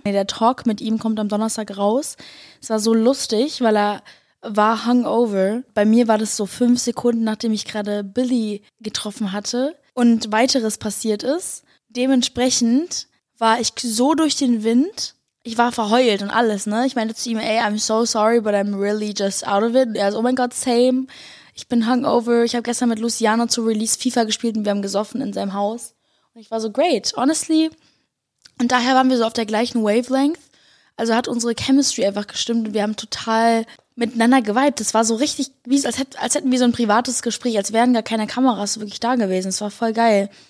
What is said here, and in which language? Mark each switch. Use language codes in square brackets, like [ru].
[de] Nee, der Talk mit ihm kommt am Donnerstag raus. Es war so lustig, weil er war hungover. Bei mir war das so 5 Sekunden, nachdem ich gerade Billy getroffen hatte und weiteres passiert ist. dementsprechend war ich so durch den Wind, ich war verheult und alles, ne? Ich meinte zu ihm, ey, [en] I'm so sorry, but I'm really just out of it. [de] Und er so, oh mein Gott, same. Ich bin hungover. Ich habe gestern mit Luciano zu Release FIFA gespielt und wir haben gesoffen in seinem Haus. Und ich war so, [en] great, honestly. [de] Und daher waren wir so auf der gleichen Wavelength. Also hat unsere Chemistry einfach gestimmt und wir haben total miteinander gewiped. Das war so richtig, wie es, als hätten wir so ein privates Gespräch, als wären gar keine Kameras wirklich da gewesen. Es war voll geil.